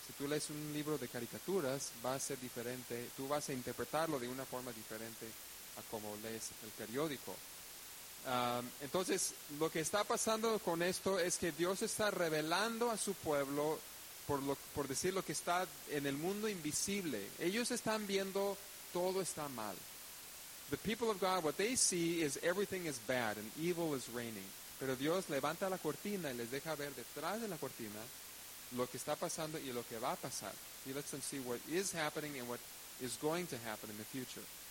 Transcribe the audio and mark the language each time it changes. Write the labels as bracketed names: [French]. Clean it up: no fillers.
[Spanish] Si tú lees un libro de caricaturas, va a ser diferente, tú vas a interpretarlo de una forma diferente a como lees el periódico. Entonces, lo que está pasando con esto es que Dios está revelando a su pueblo, por decir lo que está en el mundo invisible. Ellos están viendo todo está mal. [English] The people of God, what they see is everything is bad and evil is reigning. [Spanish] Pero Dios levanta la cortina y les deja ver detrás de la cortina lo que está pasando y lo que va a pasar. [English] He lets them see what is happening and what is going to happen in the future.